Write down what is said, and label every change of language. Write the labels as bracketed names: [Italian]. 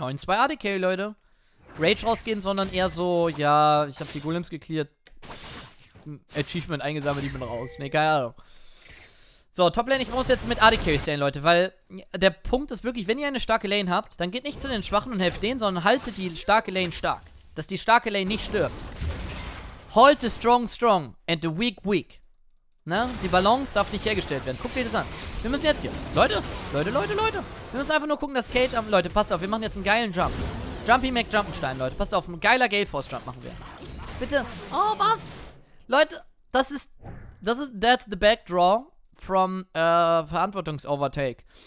[German] 9-2 ADK, Leute. Rage rausgehen, sondern eher so, ja, ich habe die Golems geklärt. Achievement eingesammelt, ich bin raus. Nee, keine Ahnung. So, Top-Lane, ich muss jetzt mit AD-Carry stellen, Leute, weil der Punkt ist wirklich, wenn ihr eine starke Lane habt, dann geht nicht zu den Schwachen und helft denen, sondern haltet die starke Lane stark, dass die starke Lane nicht stirbt. [English] Hold the strong strong and the weak weak. [German] Na, die Balance darf nicht hergestellt werden. Guckt ihr das an. Wir müssen jetzt hier. Leute. Wir müssen einfach nur gucken, dass Kate am... Leute, passt auf. Wir machen jetzt einen geilen Jump. Jumpy Mac Jumpenstein, Leute. Passt auf. Ein geiler Gale Force Jump machen wir. Bitte. Oh, was? Leute, das ist... [English] That's the back draw from Verantwortungs-Overtake.